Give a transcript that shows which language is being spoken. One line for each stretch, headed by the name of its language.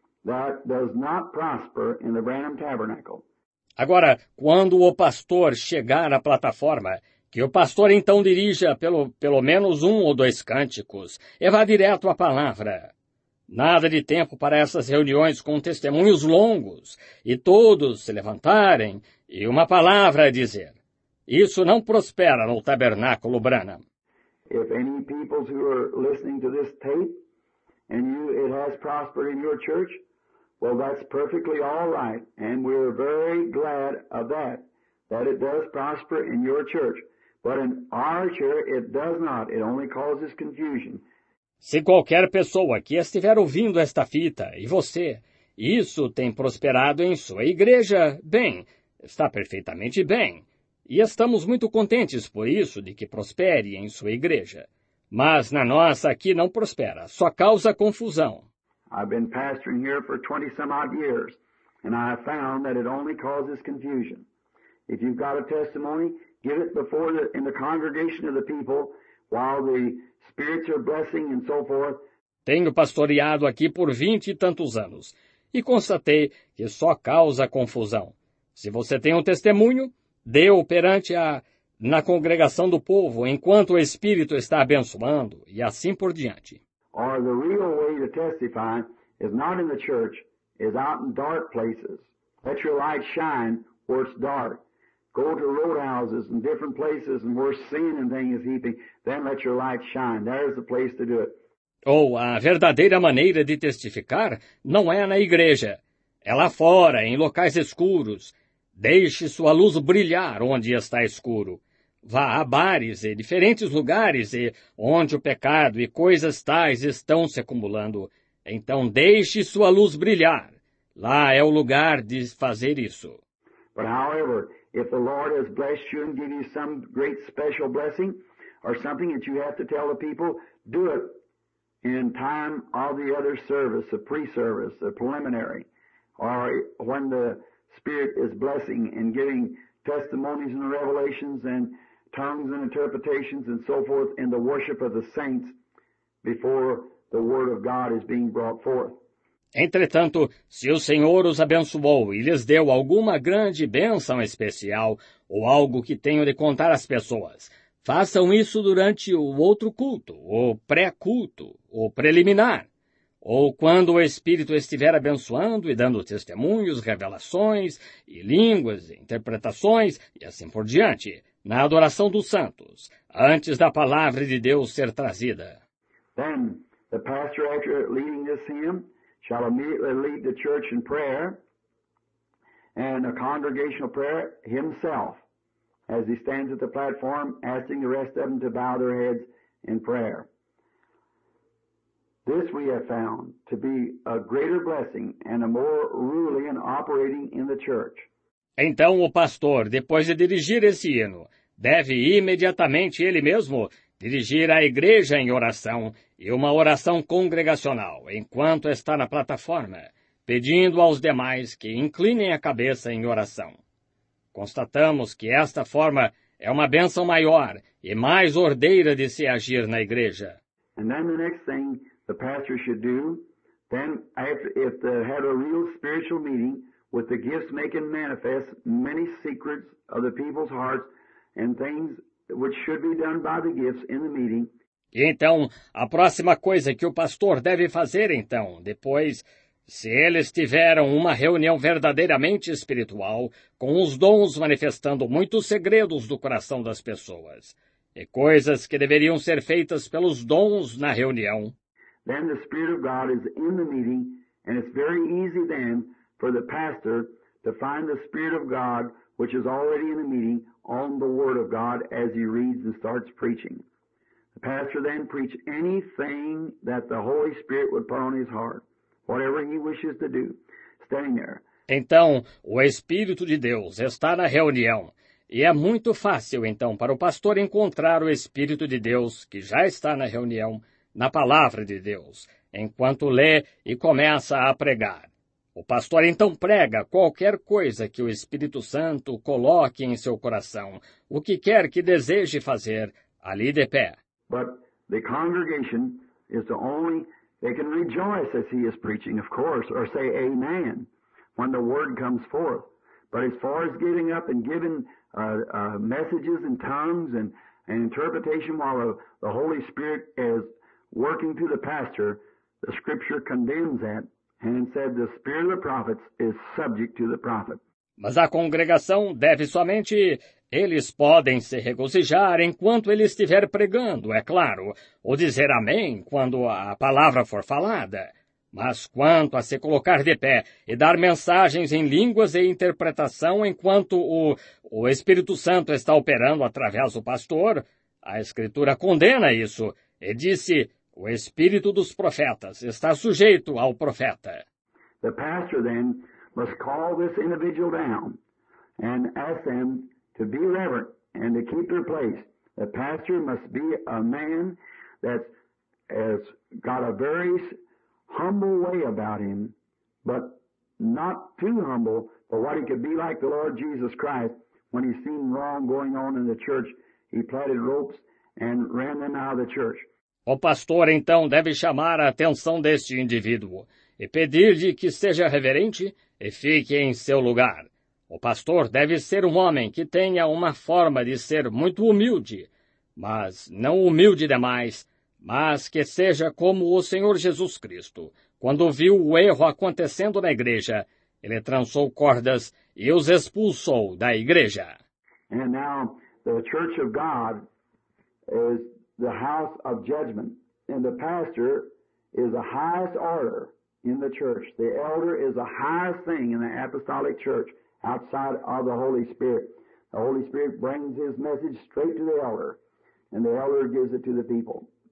English: That does not prosper in the Branham Tabernacle.
Portuguese: Agora, quando o pastor chegar à plataforma, que o pastor então dirija pelo menos um ou dois cânticos e vá direto à palavra. Nada de tempo para essas reuniões com testemunhos longos e todos se levantarem e uma palavra a dizer. Isso não prospera no Tabernáculo Branham.
English: If any people who are listening to this tape and you, it has prospered in your church, well, that's perfectly all right, and we're very glad of that, that it does prosper in your church. But in our church, it does not. It only causes confusion.
Portuguese: Se qualquer pessoa que estiver ouvindo esta fita, e você, isso tem prosperado em sua igreja, bem, está perfeitamente bem. E estamos muito contentes por isso, de que prospere em sua igreja. Mas na nossa aqui não prospera, só causa confusão.
English: I've been pastoring here for 20 some odd years, and I have found that it only causes confusion. If you've got a testimony, give it before in the congregation of the people, while the spirits are blessing and so forth.
Portuguese: Tenho pastoreado aqui por 20 e tantos anos, e constatei que só causa confusão. Se você tem um testemunho, dê-o perante na congregação do povo, enquanto o Espírito está abençoando, e assim por diante.
English: Or the real way to testify is not in the church, is out in dark places. Let your light shine where it's dark. Go to roadhouses and different places and where sin and things are heaping. Then let your light shine. There is the place to do it.
Portuguese: Ou a verdadeira maneira de testificar não é na igreja. É lá fora, em locais escuros. Deixe sua luz brilhar onde está escuro. Vá a bares e diferentes lugares e onde o pecado e coisas tais estão se acumulando. Então deixe sua luz brilhar. Lá é o lugar de fazer isso.
English: But however, if the Lord has blessed you and given you some great special blessing or something that you have to tell the people, do it in time of the other service, the pre-service, the preliminary, or when the Spirit is blessing and giving testimonies and revelations and tongues and interpretations and so forth in the worship of the saints before the Word of God is being brought forth.
Portuguese: Entretanto, se o Senhor os abençoou e lhes deu alguma grande bênção especial ou algo que tenham de contar às pessoas, façam isso durante o outro culto, o pré-culto, o preliminar. Ou quando o Espírito estiver abençoando e dando testemunhos, revelações e línguas, interpretações e assim por diante, na adoração dos santos, antes da palavra de Deus ser trazida.
English: Then, the pastor after leading this hymn shall immediately lead the church in prayer and a congregational prayer himself as he stands at the platform asking the rest of them to bow their heads in prayer. This we have found to be a greater blessing and a more ruling and operating in the church.
Portuguese: Então o pastor, depois de dirigir esse hino, deve imediatamente ele mesmo dirigir a igreja em oração e uma oração congregacional enquanto está na plataforma, pedindo aos demais que inclinem a cabeça em oração. Constatamos que esta forma é uma bênção maior e mais ordeira de se agir na igreja.
English: And then the next thing the pastor should do, then if they had a real spiritual meeting with the gifts making manifest many secrets of the people's hearts and things which should be done by the gifts in the meeting.
Portuguese: E então, a próxima coisa que o pastor deve fazer, então, depois, se eles tiveram uma reunião verdadeiramente espiritual, com os dons manifestando muitos segredos do coração das pessoas, e coisas que deveriam ser feitas pelos dons na reunião.
English: Then the Spirit of God is in the meeting, and it's very easy then for the pastor to find the Spirit of God, which is already in the meeting, on the Word of God as he reads and starts preaching. The pastor then preaches anything that the Holy Spirit would put on his heart, whatever he wishes to do, standing there.
Portuguese: Então, o Espírito de Deus está na reunião, e é muito fácil, então, para o pastor encontrar o Espírito de Deus, que já está na reunião, na palavra de Deus, enquanto lê e começa a pregar. O pastor então prega qualquer coisa que o Espírito Santo coloque em seu coração, o que quer que deseje fazer, ali de pé.
English: But the congregation is the only, they can rejoice as he is preaching, of course, or say amen when the word comes forth. But as far as getting up and giving messages and tongues and interpretation while the Holy Spirit is working through the pastor, the scripture condemns that and said the spirit of the prophets is subject to the prophet.
Portuguese: Mas a congregação deve somente... Eles podem se regozijar enquanto ele estiver pregando, é claro, ou dizer amém quando a palavra for falada. Mas quanto a se colocar de pé e dar mensagens em línguas e interpretação enquanto o Espírito Santo está operando através do pastor, a Escritura condena isso e disse, o Espírito dos profetas está sujeito ao profeta.
English: The pastor, then, must call this individual down and ask them to be reverent and to keep their place. The pastor must be a man that has got a very humble way about him, but not too humble for what he could be like the Lord Jesus Christ when he seen wrong going on in the church. He plaited ropes and ran them out of the church.
Portuguese: O pastor, então, deve chamar a atenção deste indivíduo e pedir-lhe que seja reverente e fique em seu lugar. O pastor deve ser um homem que tenha uma forma de ser muito humilde, mas não humilde demais, mas que seja como o Senhor Jesus Cristo. Quando viu o erro acontecendo na igreja, ele trançou cordas e os expulsou da igreja.
English: And now the church of God is the house of judgment, and the pastor is the highest order in the church. The elder is the highest thing in the apostolic church. Outside of the Holy Spirit. The Holy Spirit brings his message straight to the elder, and the elder gives it to the people.